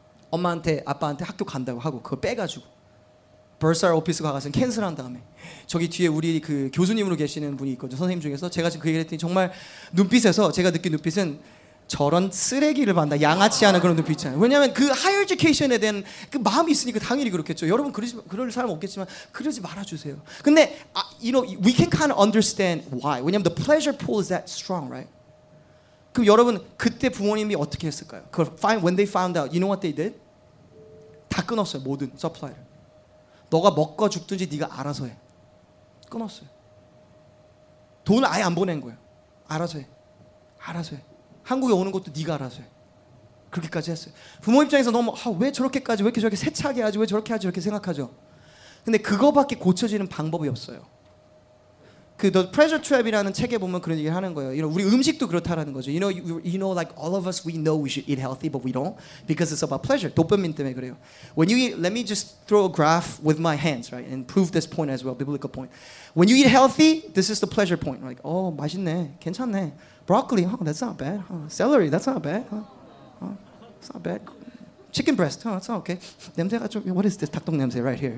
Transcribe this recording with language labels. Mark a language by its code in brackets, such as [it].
[ko] 엄마한테 아빠한테 학교 간다고 하고 그걸 빼가지고 버사 오피스 가서 캔슬한 다음에 저기 뒤에 우리 그 교수님으로 계시는 분이 있거든요. 선생님 중에서 제가 지금 그 얘기를 했더니 정말 눈빛에서 제가 느낀 눈빛은 저런 쓰레기를 봤나 양아치 하는 그런 눈빛 있잖아요. 왜냐하면 그 higher education에 대한 그 마음이 있으니까 당연히 그렇겠죠. 여러분 그럴 사람 없겠지만 그러지 말아주세요. [en] 근데 you know, we can kind of understand why. 왜냐하면 the pleasure pull is that strong, right? [ko] 그럼 여러분 그때 부모님이 어떻게 했을까요? 그걸 [en] when they found out, you know what they did? [ko] 다 끊었어요, 모든 supply를. 너가 먹고 죽든지 네가 알아서 해. 끊었어요. 돈을 아예 안 보낸 거예요. 알아서 해. 알아서 해. 한국에 오는 것도 네가 알아서 해. 그렇게까지 했어요. 부모 입장에서 너무 아, 왜 저렇게까지 왜 이렇게 저렇게 세차게 하지 왜 저렇게 하지 이렇게 생각하죠. 근데 그거밖에 고쳐지는 방법이 없어요. 그 The Pressure Trap이라는 책에 보면 그런 얘기를 하는 거예요. You know, 우리 음식도 그렇다라는 거죠. [en] You know like all of us we know we should eat healthy but we don't because it's about pleasure. [ko] 도파민 때문에 그래요. [en] When you eat, let me just throw a graph with my hands, right? And prove this point as well, biblical point. When you eat healthy, this is the pleasure point. Like, oh, [ko] 맛있네. 괜찮네. [en] Broccoli, huh? That's not bad. Huh? Celery, that's not bad. Huh? That's not bad. Chicken breast, huh? That's not okay. [ko] 냄새가 좀, [en] what is this? [ko] 닭똥 냄새 [en] right here.